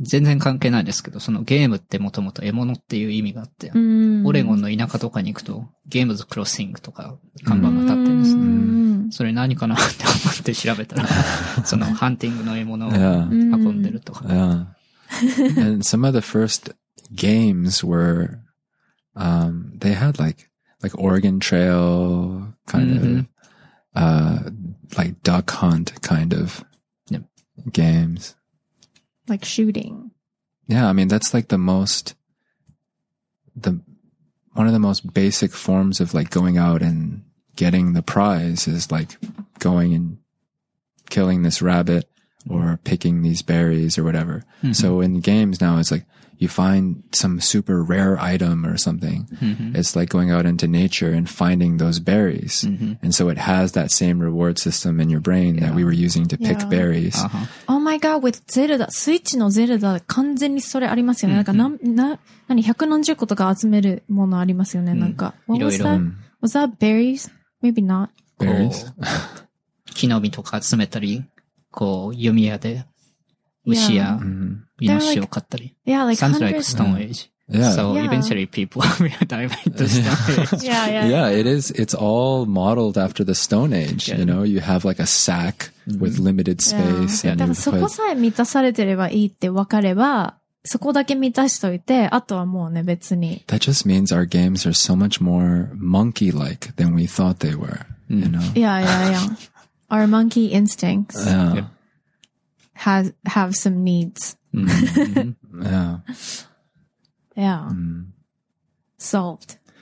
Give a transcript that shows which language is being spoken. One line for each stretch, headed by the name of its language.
Japanese: 全然関係ないですけど、そのゲームってもともと獲物っていう意味があって、 mm. オレゴンの田舎とかに行くと、ゲームズクロッシングとか看板が立ってるんですね。 Mm. それ何かなって思って調べたら、そのハンティングの獲物を運んでるとか。
English: Yeah. And some of the first games were, they had like Oregon Trail kind of,、mm-hmm. Like duck hunt kind of、 yep. games. Like shooting. Yeah, I mean, that's like one of the most basic forms of like going out and getting the prize is like going and killing this rabbit or picking these berries or whatever. Mm-hmm. So in games now, it's like you find some super rare item or something. Mm-hmm. It's like going out into nature and finding those berries. Mm-hmm. And so it has that same reward system in your brain that we were using to pick berries. Uh-huh. Oh my God, with Zelda, Switch no Zelda,
Japanese: 完全にそれありますよね。
English: Mm-hmm.
Japanese: なんか何、百何十個とか集めるものありますよね。なんか、 mm-hmm.
English: What was that? Mm-hmm. Was that berries? Maybe not. Berries?
Japanese: 木の実とか集めたり。こう弓矢で牛や犬を飼ったり、
English: yeah. like, sounds like Stone Age. Yeah. So eventually people are diving into Stone Age. Yeah, it is. It's all modeled after the Stone Age. You know, you have like a sack with limited space.
Japanese: そこさえ満たされてればいいって分かれば、そこだけ満たしといて、あとはもうね別に。
English: That just means our games are so much more monkey-like than we thought they were. You know. Yeah. Our monkey instincts have some needs. Mm-hmm. Yeah. Yeah. Mm. Solved.